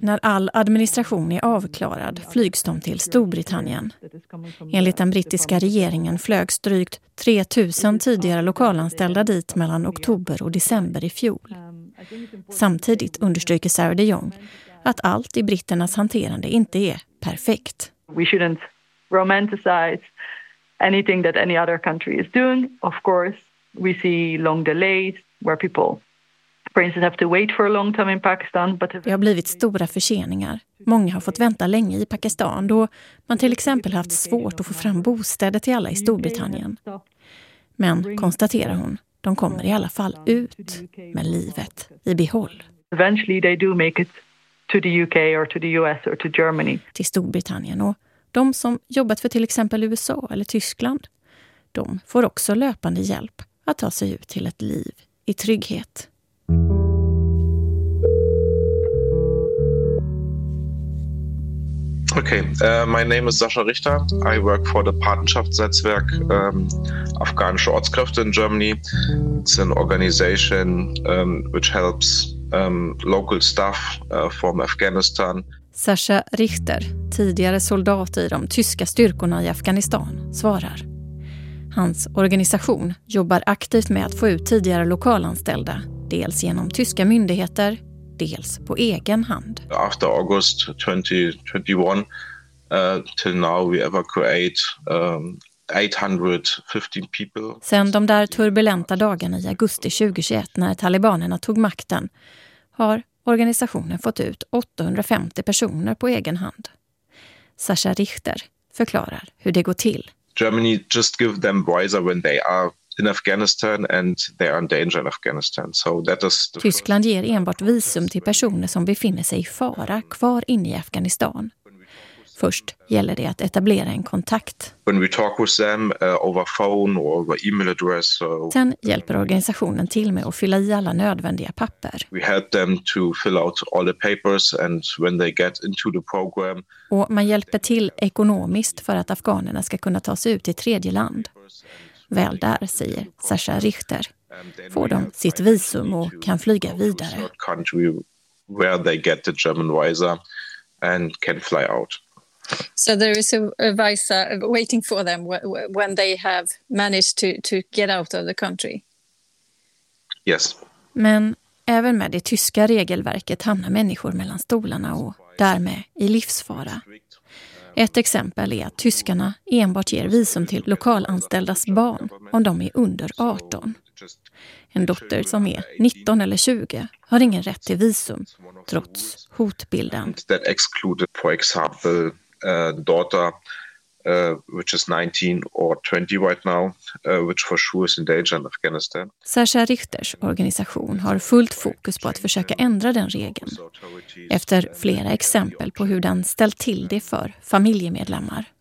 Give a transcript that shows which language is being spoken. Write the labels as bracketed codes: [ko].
[sv] När all administration är avklarad flygs de till Storbritannien. Enligt den brittiska regeringen flögs drygt 3000 tidigare lokalanställda dit mellan oktober och december i fjol. Samtidigt understryker Sarah de Jong att allt i britternas hanterande inte är perfekt. [en] We shouldn't romanticize anything that any other country is doing. Of course, we see long delays where people, for instance, have to wait for a long time in Pakistan. But [sv] det har blivit stora förseningar. Många har fått vänta länge i Pakistan då man till exempel haft svårt att få fram bostäder till alla i Storbritannien. Men, konstaterar hon, de kommer i alla fall ut med livet i behåll. [en] Eventually they do make it to the UK or to the US or to Germany. [sv] Till Storbritannien, och de som jobbat för till exempel USA eller Tyskland, de får också löpande hjälp att ta sig ut till ett liv i trygghet. [en] Okay, my name is Sascha Richter. I work for the Partnerschaftsnetzwerk Afghanische Ortskräfte in Germany. It's an organization which helps local staff from Afghanistan. [sv] Sascha Richter, tidigare soldat i de tyska styrkorna i Afghanistan, svarar. Hans organisation jobbar aktivt med att få ut tidigare lokalanställda, dels genom tyska myndigheter, dels på egen hand. [en] After August 2021 till now we evacuate 815 people. [sv] Sen de där turbulenta dagarna i augusti 2021 när talibanerna tog makten har organisationen fått ut 850 personer på egen hand. Sascha Richter förklarar hur det går till. [en] Germany just give them visa when they are in Afghanistan and they are in danger in Afghanistan. So that is the [sv] Tyskland ger enbart visum till personer som befinner sig i fara kvar inne i Afghanistan. Först gäller det att etablera en kontakt. [en] When we talk with them over phone or over email address. [sv] Sen hjälper organisationen till med att fylla i alla nödvändiga papper. [en] We help them to fill out all the papers and when they get into the program. [sv] Och man hjälper till ekonomiskt för att afghanerna ska kunna ta sig ut till tredje land. Väl där, säger Sascha Richter, får de sitt visum och kan flyga vidare. [en] Where they get the German visa and can fly out. So there is a visa waiting for them when they have managed to get out of the country. Yes. [sv] Men även med det tyska regelverket hamnar människor mellan stolarna och därmed i livsfara. Ett exempel är att tyskarna enbart ger visum till lokalanställdas barn om de är under 18. En dotter som är 19 eller 20 har ingen rätt till visum trots hotbilden. [en] That excluded for example daughter which is 19 or 20 right now which for sure is in danger in Afghanistan. [sv] Sascha Richters organisation har fullt fokus på att försöka ändra den regeln efter flera exempel på hur den ställt till det för familjemedlemmar.